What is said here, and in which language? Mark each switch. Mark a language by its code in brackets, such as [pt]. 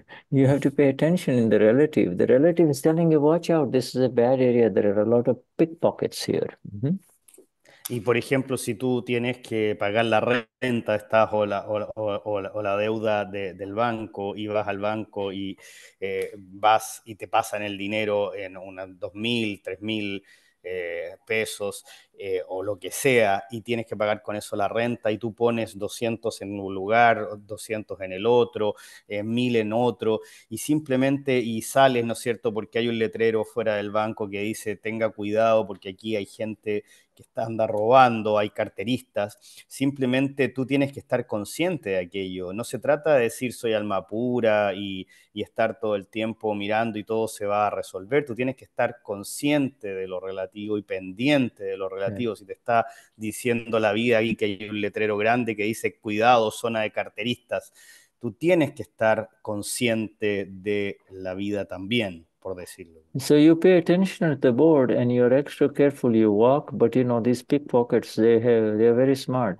[en] You have to pay attention in the relative. The relative is telling you, watch out, this is a bad area. There are a lot of pickpockets here. [es] Y por ejemplo, si tú tienes que pagar la renta, estás o la deuda del banco y vas al banco y vas y te pasan el dinero en unos 2.000, 3.000 pesos o lo que sea y tienes que pagar con eso la renta y tú pones 200 en un lugar, 200 en el otro, 1.000 en otro y simplemente y sales, ¿no es cierto? Porque hay un letrero fuera del banco que dice tenga cuidado porque aquí hay gente que está anda robando, hay carteristas, simplemente tú tienes que estar consciente de aquello. No se trata de decir soy alma pura y estar todo el tiempo mirando y todo se va a resolver. Tú tienes que estar consciente de lo relativo y pendiente de lo relativo. Si te está diciendo la vida ahí que hay un letrero grande que dice cuidado, zona de carteristas, tú tienes que estar consciente de la vida también, por decirlo. [en] So you pay attention at the board and you're extra careful, you walk, but you know these pickpockets, they're very smart.